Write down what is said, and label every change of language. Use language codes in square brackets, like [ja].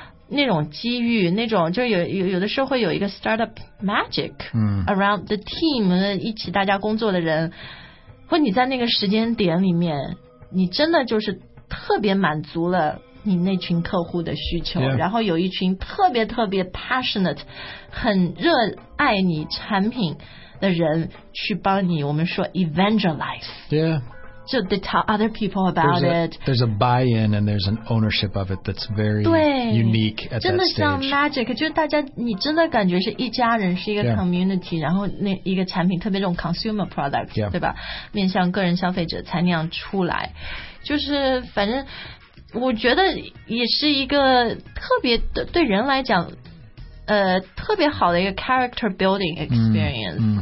[zh] 那种机遇，那种就是有的时候会有一个 [en] startup magic around the team， [zh] 一起大家工作的人，或你在那个时间点里面你真的就是特别满足了你那群客户的需求、 [en] yeah. [zh] 然后有一群特别特别 passionate 很热爱你产品的人去帮你，我们说 evangelize， [en] yeah， [zh] 就 [en] they tell other people about there's a buy-in and there's an ownership of it that's very unique at that stage， [zh] 真的像 magic， 就大家你真的感觉是一家人，是一个 community、 [en] yeah. [zh] 然后那一个产品特别这种 consumer product、 [en] yeah. [zh] 对吧，面向个人消费者才那样出来，就是反正我觉得也是一个特别对人来讲特别好的一个 [en] character building experience、